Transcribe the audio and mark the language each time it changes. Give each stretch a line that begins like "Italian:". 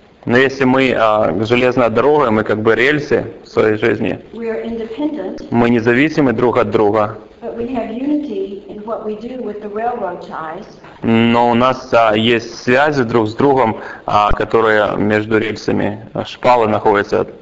Russian: но если мы железная дорога, мы как бы рельсы в своей жизни,
English: we are independent,
Russian: мы независимы друг от друга,
English: but we have unity in what we do with the railroad ties,
Russian: но у нас есть связи друг с другом, которые между рельсами, шпалы находятся.